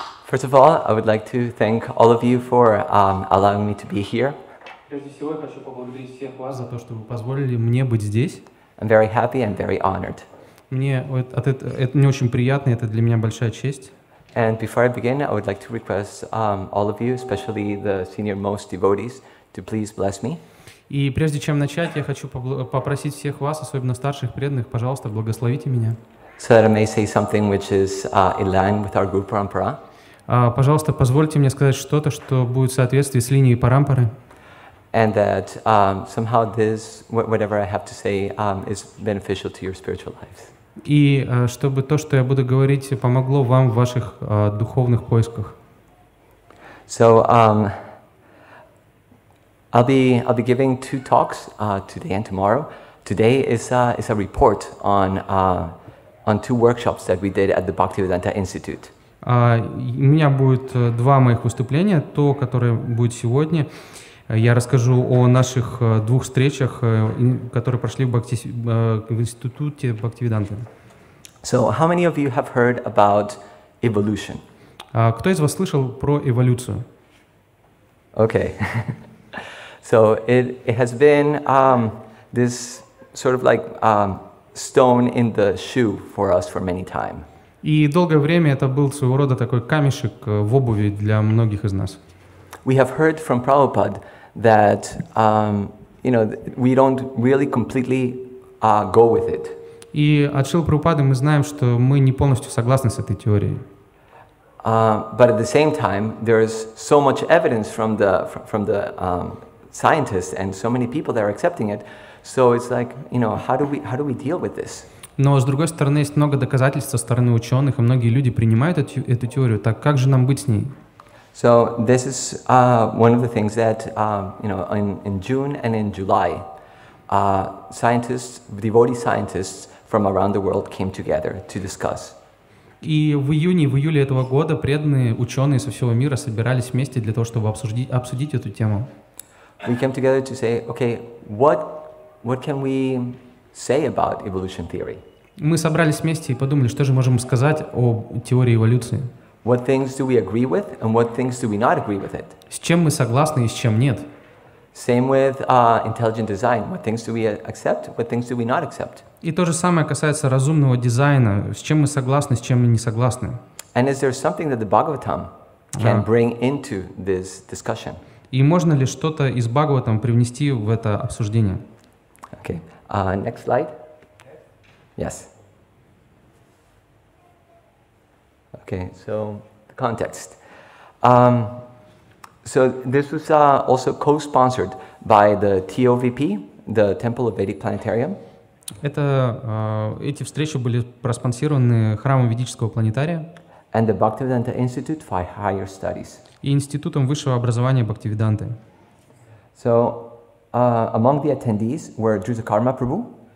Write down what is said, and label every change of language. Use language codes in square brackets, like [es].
[en] First of all, I would like to thank all of you for allowing me to be here. [ru] За то, что вы позволили мне быть здесь. [en] I'm very happy and very honored. [ru] Мне очень приятно, это для меня большая честь. [en] And before I begin, I would like to request all of you, especially the senior most devotees, to please bless me. [ru] И прежде чем начать, я хочу попросить всех вас, особенно старших преданных, пожалуйста, благословите меня. [en] So that I may say something which is in line with our group parampara. [ru] Пожалуйста, позвольте мне сказать что-то, что будет в соответствии с линией парампары. [en] And that somehow this, whatever I have to say, is beneficial to your spiritual lives. [ru] И чтобы то, что я буду говорить, помогло вам в ваших духовных поисках. [en] So, I'll be giving two talks today and tomorrow. Today is a report on two workshops that we did at the Bhaktivedanta Institute. [ru] У меня будет два моих выступления. То, которое будет сегодня, я расскажу о наших двух встречах, которые прошли в институте Бхактивиданты. [en] So, how many of you have heard about evolution? [ru] Кто из вас слышал про эволюцию? [en] Okay. So it has been this sort of like stone in the shoe for us for many time. [ru] И долгое время это был своего рода такой камешек в обуви для многих из нас. [en] We have heard from Prabhupada that you know, we don't really completely go with it. [ru] И от Шрилы Прабхупады мы знаем, что мы не полностью согласны с этой теорией. [en] But at the same time, there is so much evidence from the scientists and so many people that are accepting it. So it's like, you know, how do we deal with this? [ru] Но с другой стороны, есть много доказательств со стороны ученых, и многие люди принимают эту теорию. Так как же нам быть с ней? [en] So this is one of the things that you know, in June and in July, scientists, devotee scientists from around the world came together to discuss. [ru] И в июне, в июле этого года преданные ученые со всего мира собирались вместе для того, чтобы обсудить эту тему. [en] We came together to say, okay, what can we say about evolution theory? [ru] Мы собрались вместе и подумали, что же можем сказать о теории эволюции. [en] What things do we agree with, and what things do we not agree with it? [ru] С чем мы согласны и с чем нет? [en] Same with intelligent design. What things do we accept? What things do we not accept? [ru] И то же самое касается разумного дизайна. С чем мы согласны, с чем мы не согласны? [en] And is there something that the Bhagavatam can bring into this discussion? [ru] И можно ли что-то из Бхагаватам привнести в это обсуждение? [en] Okay. Next slide. Yes. Okay, so the context. So this was also co-sponsored by the TOVP, the Temple of Vedic Planetarium. [ru] Это эти встречи были проспонсированы храмом ведического планетария. [en] And the Bhaktivedanta Institute for Higher Studies. [ru] И институтом высшего образования Бхактивиданты. [en] So among the attendees were Drutakarma Prabhu.